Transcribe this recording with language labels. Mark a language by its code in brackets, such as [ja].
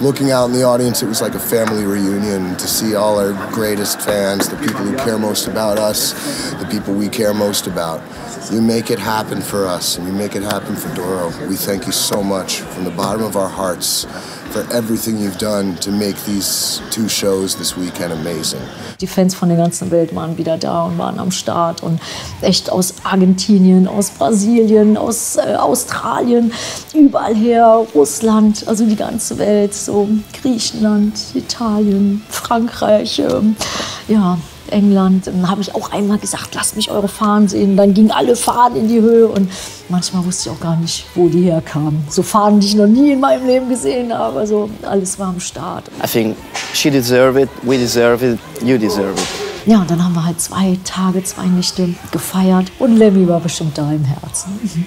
[en] Looking out in the audience, it was like a family reunion to see all our greatest fans, the people who care most about us, the people we care most about. You make it happen for us, and you make it happen for Doro. We thank you so much from the bottom of our hearts for everything you've done to make these 2 shows this weekend amazing. [de] Die Fans von der ganzen Welt waren wieder da und waren am Start, und echt aus Argentinien, aus Brasilien, aus Australien, überall her, Russland, also die ganze Welt, so Griechenland, Italien, Frankreich, ja, England. Und dann habe ich auch einmal gesagt, lasst mich eure Fahnen sehen. Dann gingen alle Fahnen in die Höhe und manchmal wusste ich auch gar nicht, wo die herkamen. So Fahnen, die ich noch nie in meinem Leben gesehen habe. Also alles war am Start. [en] I think she deserve it, we deserve it, you deserve it. [de] Ja, und dann haben wir halt 2 Tage, 2 Nächte gefeiert und Lemmy war bestimmt da im Herzen.